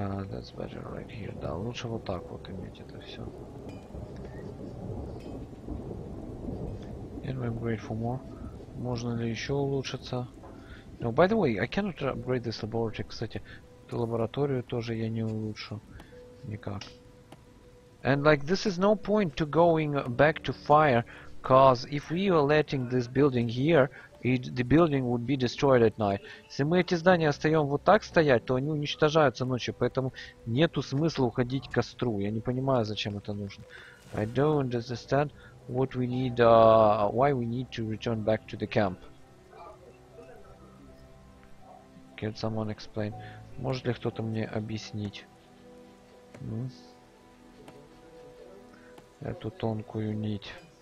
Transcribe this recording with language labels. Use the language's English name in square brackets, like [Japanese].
[English] That's better right here. [Russian] Да, лучше вот так вот иметь это все. [English] And we upgrade for more. [Russian] Можно ли еще улучшиться? [English] No, by the way, I cannot upgrade this laboratory. [Russian] Кстати, эту лабораторию тоже я не улучшу никак. [English] And like this is no point to going back to fire, cause if we are letting this building here, it, the building would be destroyed at night. [Russian] Если мы эти здания оставим вот так стоять, то они уничтожаются ночью, поэтому нету смысла уходить к костру. Я не понимаю, зачем это нужно. [English] I don't understand what we need, why we need to return back to the camp. Can someone explain? [Russian] Может ли кто-то мне объяснить? Эту тонкую нить.